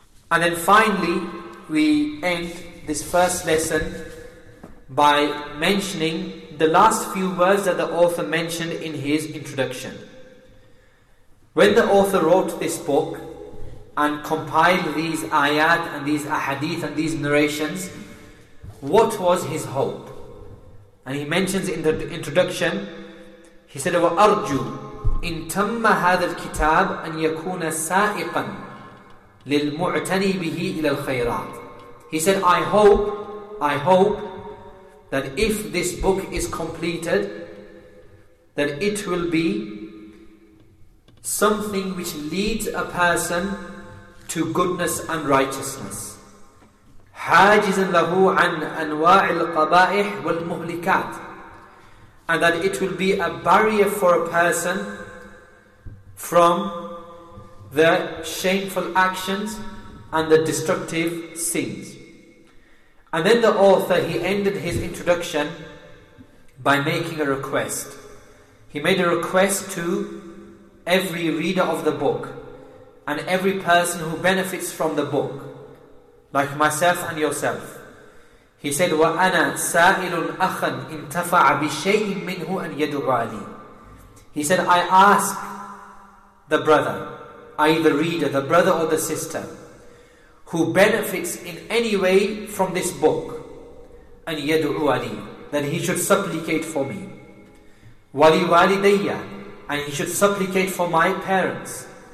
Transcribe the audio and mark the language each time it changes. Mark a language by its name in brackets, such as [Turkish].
[English] And then finally, we end this first lesson by mentioning the last few words that the author mentioned in his introduction. When the author wrote this book and compiled these ayat and these ahadith and these narrations, what was his hope? And he mentions in the introduction, he said, [Arabic] وَأَرْجُوا إِن تَمَّ هَذَا الْكِتَابِ أَن يَكُونَ سَائِقًا لِلْمُعْتَنِي بِهِ إِلَى الْخَيْرَاتِ. [English] He said, I hope that if this book is completed, that it will be something which leads a person to goodness and righteousness. [Arabic] حَاجِزًا لَهُ عَنْ أَنْوَاعِ الْقَبَائِحِ وَالْمُهْلِكَاتِ, [English] and that it will be a barrier for a person from the shameful actions and the destructive sins. And then the author, he ended his introduction by making a request. He made a request to every reader of the book and every person who benefits from the book, like myself and yourself. He said, [Arabic] وَأَنَا سَائِلٌ أَخًا إِنْتَفَعَ بِشَيْءٍ مِّنْهُ أَنْ يَدُعَى لِي. [English] He said, I ask the brother, i.e. the reader, the brother or the sister, who benefits in any way from this book, [Arabic] أَنْ يَدُعُوَ لِي, [English] that he should supplicate for me. [Arabic] وَلِوَالِدَيَّ, [English] and he should supplicate for my parents.